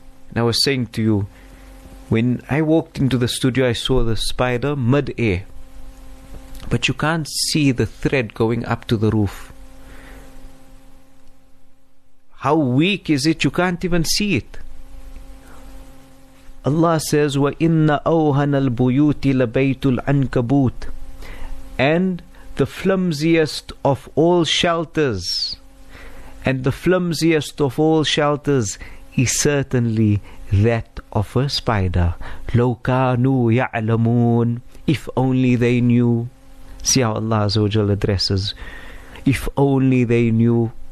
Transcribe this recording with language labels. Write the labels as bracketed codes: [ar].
[en] And I was saying to you, when I walked into the studio, I saw the spider mid-air. But you can't see the thread going up to the roof. How weak is it? You can't even see it. Allah says, [ar] وَإِنَّ أَوْهَنَ الْبُيُوتِ لَبَيْتُ الْعَنْكَبُوتِ. [en] And the flimsiest of all shelters, and the flimsiest of all shelters is certainly that of a spider. [ar] لو كانوا يعلمون. [en] If only they knew. See how Allah Azza wa Jalla addresses. If only they knew.